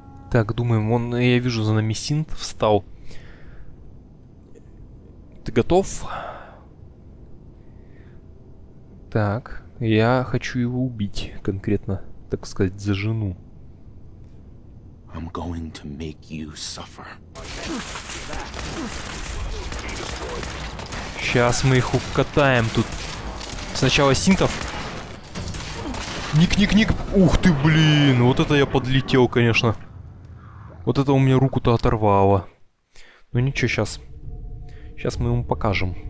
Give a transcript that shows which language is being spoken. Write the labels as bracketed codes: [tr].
[ru] Так, думаем, он, я вижу, за нами синт встал. Ты готов? Так, я хочу его убить, конкретно, так сказать, за жену. [en] I'm going to make you suffer. [ru] Сейчас мы их укатаем тут. Сначала синтов. Ник-ник-ник. Ух ты, блин. Вот это я подлетел, конечно. Вот это у меня руку-то оторвало. Ну ничего, сейчас. Сейчас мы ему покажем.